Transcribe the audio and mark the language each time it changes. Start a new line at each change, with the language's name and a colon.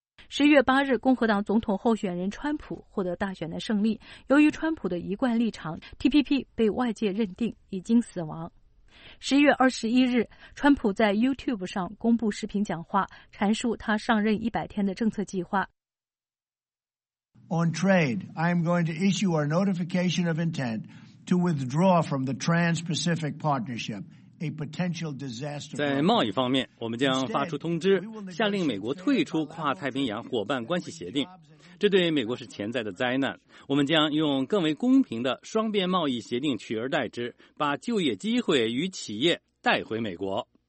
Chinese: 11月8日，共和党总统候选人川普获得大选的胜利。由于川普的一贯立场 ，TPP 被外界认定已经死亡。 11月21日，川普在 YouTube 上公布视频讲话，阐述他上任100天的政策计划。
English: On trade, I am going to issue our notification of intent to withdraw from the Trans-Pacific Partnership.
Chinese: 在贸易方面，我们将发出通知，下令美国退出跨太平洋伙伴关系协定，这对美国是潜在的灾难。我们将用更为公平的双边贸易协定取而代之，把就业机会与企业带回美国。